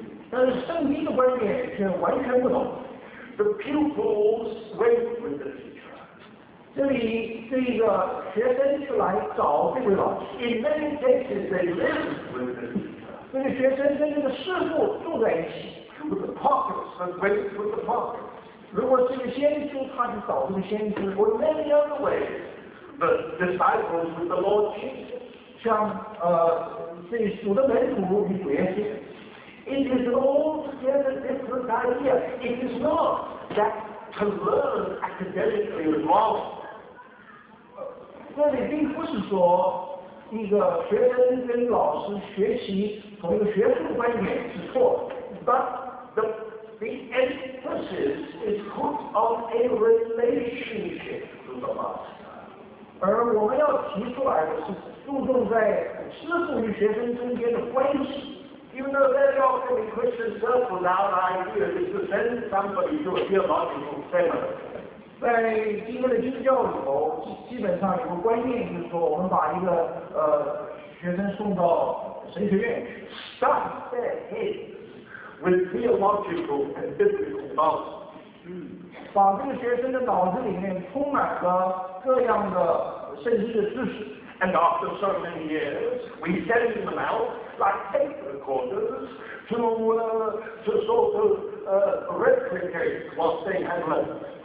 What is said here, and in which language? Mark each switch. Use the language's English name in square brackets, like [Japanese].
[Chinese] 但是圣经的观点却完全不同。 [English] The pupils went with the teacher. [Chinese] 这里是一个学生去来找这位老师。 [English] In many cases, they lived with the teacher. [Chinese] 这个学生跟这个师父住在一起。 [English] With the prophets and went with the prophets. [Chinese] 如果这个先知，他去找这个先知。 [English] Or many other ways. The disciples with the Lord Jesus. [Chinese] 像这主的门徒与主耶稣。 [English] It is an altogether different idea. It is not that to learn academically is wrong. [Chinese] 这里并不是说一个学生跟老师学习从一个学术观点是错。 [English] But the emphasis is put on a relationship to the Master. [Chinese] 而我们要提出来的是注重在师父与学生中间的关系。 [English] Even though very often in Christian circles, our idea is to send somebody to a theological seminar. [Chinese] 在基督的基督教里头，基本上有个观念，就是说我们把一个学生送到神学院 [English] stuff their heads with theological and biblical knowledge. [Chinese] 把这个学生的脑子里面充满了各样的圣经的知识。 [English] And after so many years, we send them out like tape recorders to sort of replicate what they have learned.